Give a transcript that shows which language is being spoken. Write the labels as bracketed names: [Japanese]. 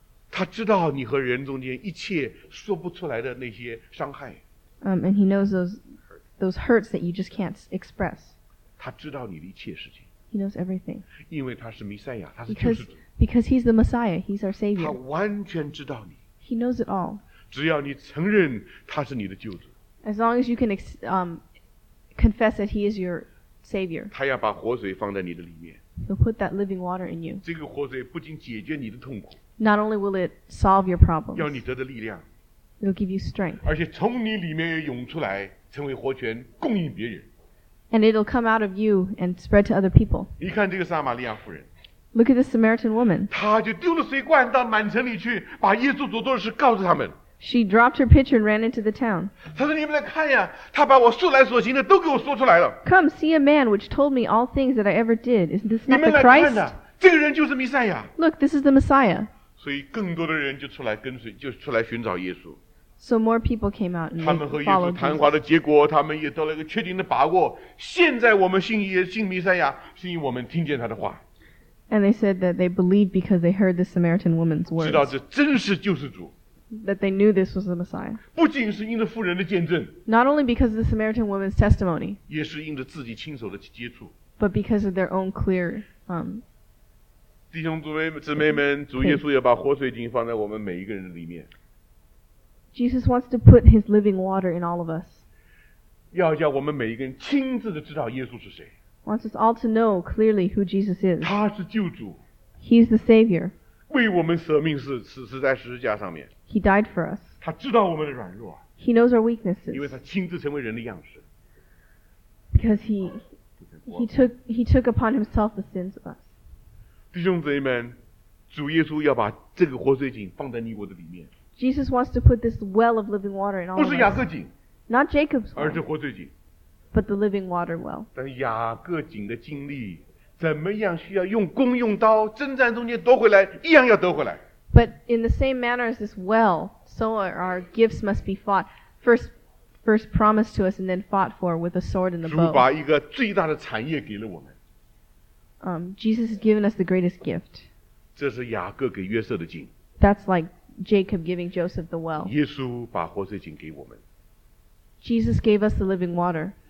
[Chinese] 他知道你和人中间一切说不出来的那些伤害。 [English] And he knows those hurts that you just can't express. [Chinese] 他知道你的一切事情。 [English] He knows everything. [Chinese] 因为他是弥赛亚，他是救世主。 [English] Because he's the Messiah, he's our Savior. [Chinese] 他完全知道你。 [English] He knows it all. [Chinese] 只要你承认他是你的救主。 [English] As long as you can confess that he is your Savior. [Chinese] 他要把活水放在你的里面。 [English] He'll put that living water in you. [Chinese] 这个活水不仅解决你的痛苦。 [English] Not only will it solve your problems. [Chinese] 要你得的力量。 [English] It'll give you strength. [Chinese] 而且从你里面涌出来，成为活泉，供应别人。 [English] And it'll come out of you and spread to other people. [Chinese] 你看这个撒玛利亚妇人。 [English] Look at the Samaritan woman. [Chinese] 她就丢了水罐到满城里去，把耶稣所做的事告诉他们。 [English] She dropped her pitcher and ran into the town. [Chinese] 她说：“你们来看呀，他把我素来所行的都给我说出来了。” [English] Come see a man which told me all things that I ever did. Isn't this not the Christ? [Chinese] 你们来看呐，这个人就是弥赛亚。 [English] Look, this is the Messiah. [Chinese] 所以更多的人就出来跟随，就出来寻找耶稣。 [English] So more people came out and followed Jesus. [Chinese] 他们和耶稣谈话的结果，他们也得了一个确定的把握。现在我们信耶，信弥赛亚，是因为我们听见他的话。 [English] And they said that they believed because they heard the Samaritan woman's words. [Chinese] 知道这真是救世主。 [English] That they knew this was the Messiah. [Chinese] 不仅是因着妇人的见证。 [English] Not only because of the Samaritan woman's testimony. [Chinese] 也是因着自己亲手的接触。 [English] But because of their own clear, [Chinese] 弟兄姊妹们，主耶稣要把活水井放在我们每一个人的里面。 [English] Jesus wants to put his living water in all of us. [Chinese] 要叫我们每一个人亲自的知道耶稣是谁。 [English] Wants us all to know clearly who Jesus is. [Chinese] 他是救主。 [English] He is the Savior. [Chinese] 为我们舍命死在十字架上面。 [English] He died for us. [Chinese] 他知道我们的软弱。 [English] He knows our weaknesses. [Chinese] 因为他亲自成为人的样式。 [English] Because he took upon himself the sins of us. [Chinese] 弟兄姊妹们，主耶稣要把这个活水井放在你我的里面。 [English] Jesus wants to put this well of living water in all of us. [Chinese] 不是雅各井。 [English] Not Jacob's well. [Chinese] 而是活水井。 [English] But the living water well. [Chinese] 但雅各井的经历，怎么样需要用弓用刀征战中间夺回来，一样要得回来。 [English] But in the same manner as this well, so are our gifts must be fought first promised to us and then fought for with a sword and the bow. [Chinese] 主把一个最大的产业给了我们。 [English] Jesus has given us the greatest gift. [Chinese] 这是雅各给约瑟的井。 [English] That's like Jacob giving Joseph the well. [Chinese] 耶稣把活水井给我们。 [English] Jesus gave us the living water.